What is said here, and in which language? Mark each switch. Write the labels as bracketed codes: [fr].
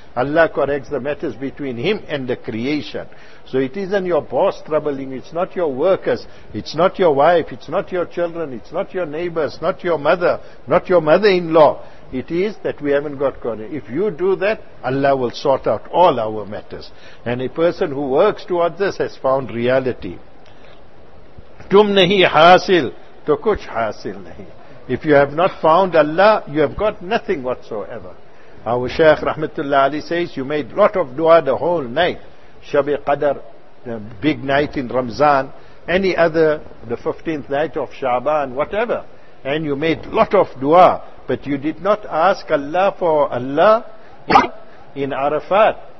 [en] Allah corrects the matters between him and the creation. So it isn't your boss troubling, it's not your workers, it's not your wife, it's not your children, it's not your neighbors, not your mother, not your mother-in-law. It is that we haven't got God. If you do that, Allah will sort out all our matters. And a person who works towards this has found reality. [ur] تُم نہیں حاصل تو کچھ حاصل نہیں. [en] If you have not found Allah, you have got nothing whatsoever. Our Shaykh Rahmatullah Ali says, you made lot of dua the whole night. Shab-e Qadr, the big night in Ramzan, any other, the 15th night of Shaban, whatever. And you made lot of dua, but you did not ask Allah for Allah in Arafat.